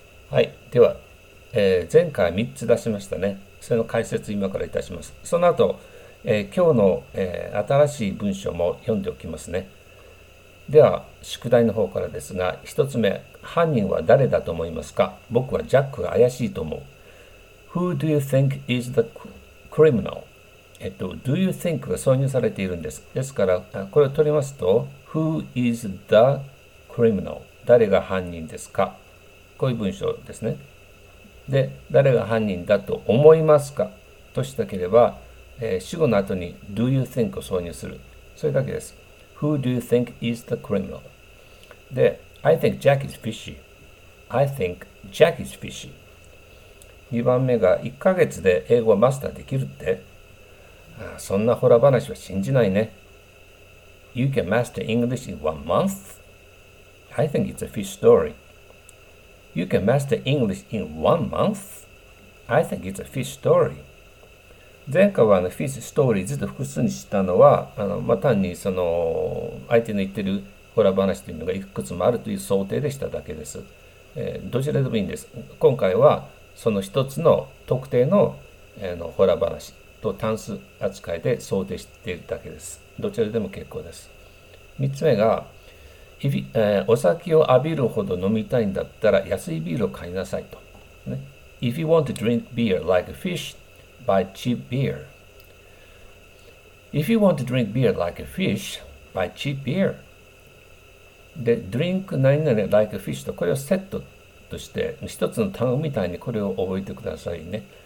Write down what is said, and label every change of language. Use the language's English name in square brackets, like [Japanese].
[Japanese] はい、では、前回3つ出しましたね。その解説今からいたします。その後、今日の、新しい文章も読んでおきますね。では、宿題の方からですが、1つ目、犯人は誰だと思いますか？僕はジャックが怪しいと思う。 [English] Who do you think is the criminal? Do you think [Japanese] が挿入されているんです。ですから、これを取りますと、 [English] Who is the criminal? [Japanese] 誰が犯人ですか？こういう文章ですね。で、誰が犯人だと思いますかとしたければ、主語の後に [English] Do you think [Japanese] を挿入する。それだけです。 [English] Who do you think is the criminal? で、I think Jack is fishy. I think Jack is fishy. [Japanese] 2番目が、1ヶ月で英語はマスターできるって？ああ、そんなホラー話は信じないね。 [English] You can master English in 1 month? I think it's a fish story. You can master English in 1 month? I think it's a fish story. [Japanese] 前回はフィッシュストーリーズと複数にしたのは、単にその相手の言ってるホラー話というのがいくつもあるという想定でしただけです。どちらでもいいんです。今回はその一つの特定の、ホラー話と単数扱いで想定しているだけです。どちらでも結構です。3つ目が、お酒を浴びるほど飲みたいんだったら安いビールを買いなさいと、ね。 [English] If you want to drink beer like a fish, buy cheap beer. If you want to drink beer like a fish, buy cheap beer. [Japanese] で、drink 何々 [English] like a fish [Japanese] とこれをセットとして、一つの単語みたいにこれを覚えてくださいね。